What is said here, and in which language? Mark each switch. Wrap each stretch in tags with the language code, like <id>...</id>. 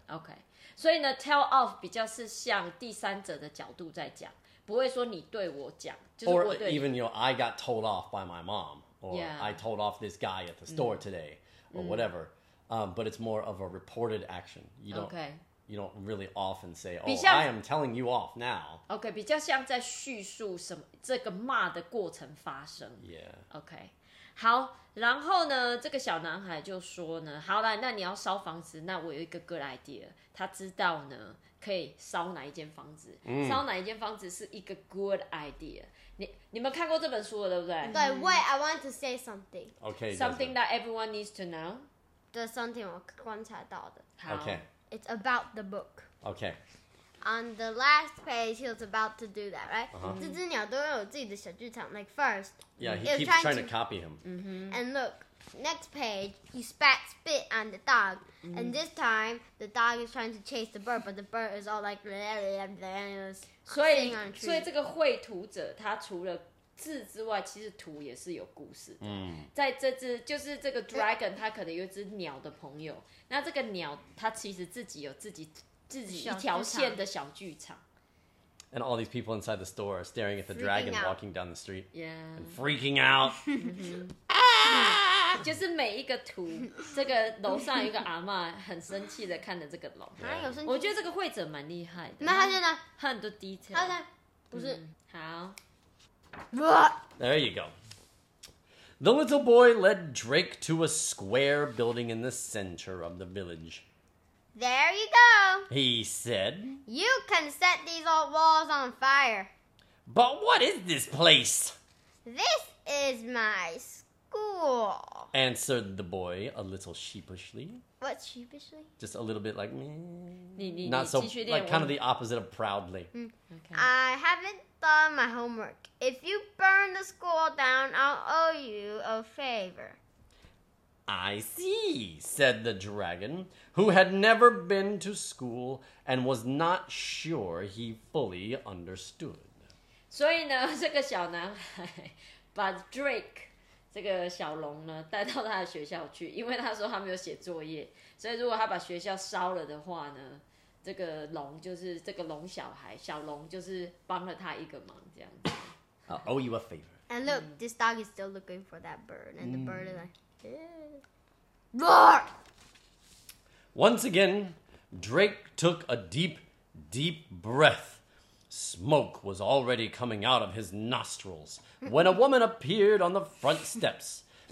<zh>Okay. 所以呢 ，tell off 比较是像第三者的角度在讲，不会说你对我讲，就是我对你。</zh> <en>Or even you know, I got told off by my mom, or yeah. I told off this guy at the store today, or whatever. But it's more of a reported action. You don't really often say, oh, I am telling you off now.</en> <zh>Okay, 比较像在叙述什么这个骂的过程发生。</zh> <en>Yeah.</en> <zh>Okay. 好，然后呢，这个小男孩就说呢，好啦，那你要烧房子，那我有一个 good idea。他知道呢可以烧哪一间房子、嗯、烧哪一间房子是一个 good idea。你们看过这本书了对不对？</zh> <en>对。Wait, I want to say something. Okay. Something that everyone needs to know. There's something</en> <zh>我观察到的。好。</zh> <en>Okay. It's about the book. Okay. On the last page, he was about to do that, right?</en> <zh>这只鸟都有自己的小剧场。</zh> <en>Like first, yeah, he keeps trying to copy him. Mm-hmm. And lookNext page, he spit on the dog. Mm-hmm. And this time, the dog is trying to chase the bird, but the bird is all like...</en> <zh>So this 绘图者他除了字之外，其实图也是有故事的。Mm-hmm. 在这只就是这个 dragon， 他可能有一只鸟的朋友。那这个鸟他其实自己有自己一条线的小剧场。</zh> <en>And all these people inside the store are staring at the dragon walking down the street. Yeah. And freaking out.</en> <zh>就是每一个图，这个楼上一个阿嬷很生气的看着这个楼。他有生气。我觉得这个绘者蛮厉害的。那他现在很多 detail。他现在不是、好。</zh> <en>What? There you go. The little boy led Drake to a square building in the center of the village. There you go. He said. You can set these old walls on fire. But what is this place? This is my school. Answered the boy a little sheepishly. What sheepishly? Just a little bit like me. Not so, like kind of the opposite of proudly. Mm. Okay. I haven't done my homework. If you burn the school down, I'll owe you a favor. I see, said the dragon, who had never been to school and was not sure he fully understood.</en> <zh>所以呢，这个小男孩把 Drake... 这个小龙呢带到他的学校去，因为他说他没有写作业，所以如果他把学校烧了的话呢，这个龙就是这个龙小孩小龙就是帮了他一个忙这样子。</zh> <en>I'll owe you a favor. And look, this dog is still looking for that bird, and the bird is like, roar! Once again, Drake took a deep, deep breath. Smoke was already coming out of his nostrils when a woman appeared on the front steps.</en>